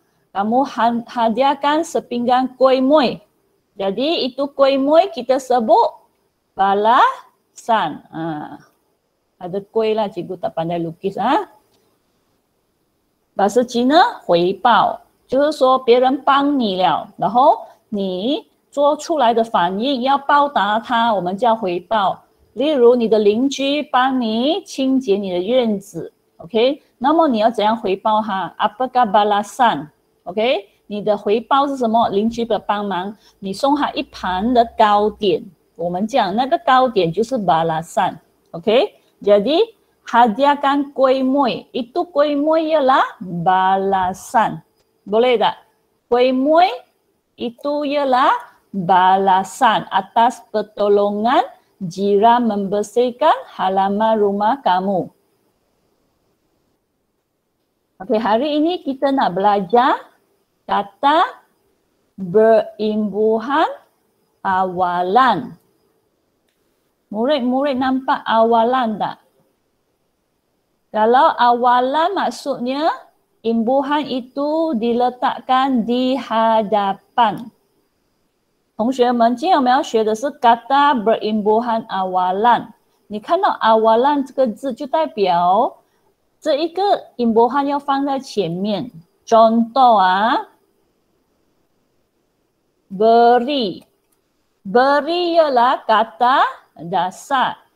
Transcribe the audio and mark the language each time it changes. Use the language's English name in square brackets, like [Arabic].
[Malay] Kamu hadiahkan sepinggang kuih muih. Jadi itu kuih muih kita sebut balasan. Ada kuih lah, cikgu tak pandai lukis. Bahasa Cina, 回报. [Chinese] 就是说别人帮你了，然后你做出来的反应要报答他，我们叫回报。例如你的邻居帮你清洁你的院子， OK? 那么你要怎样回报他？ [Malay] Apakah balasan? [Chinese] OK? 你的回报是什么？邻居的帮忙，你送他一盘的糕点，我们讲那个糕点就是balasan。 [Malay] OK, jadi hadiahkan kuih muih, itu kuih muih ialah balasan. Boleh tak? Kuih muih itu ialah balasan atas pertolongan jiran membersihkan halaman rumah kamu. OK, hari ini kita nak belajarKata berimbuhan awalan. Murid-murid nampak awalan tak? Kalau awalan maksudnya imbuhan itu diletakkan di hadapan. [Chinese] 同学们，今天我们要学的是 [Malay] kata berimbuhan awalan. [Chinese] 你看到awalan 这个字就代表这一个imbuhan要放在前面。 [Malay] Contoh Beri ialah kata dasar.